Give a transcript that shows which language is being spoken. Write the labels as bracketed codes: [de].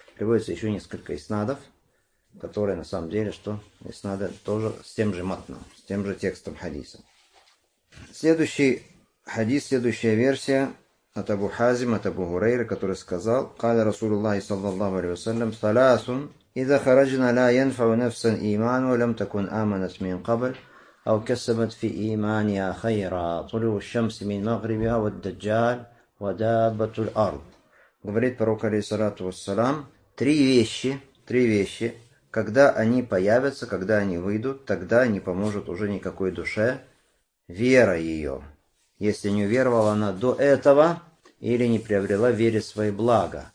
[ru] Приводится еще несколько иснадов, которые на самом деле, что иснады тоже с тем же матном, с тем же текстом хадиса. Следующий хадис, следующая версия от Абу Хазим, от Абу Хурейры, который сказал: [ar] «Каля Расулуллахи саллаллаху алейхи ва саллям, саласун, иза хараджина ла янфау нафсан иману, лям такун аманат мин кабль». أو كسبت في إيمانها خيرا طلوع الشمس من مغربها والدجال ودابة الأرض. [ru] Говорит пророк [ar] алейхиссалату вассалам, [ru] три вещи, когда они появятся, когда они выйдут, тогда не поможет уже никакой душе вера ее, если не уверовала она до этого или не приобрела в вере свои блага.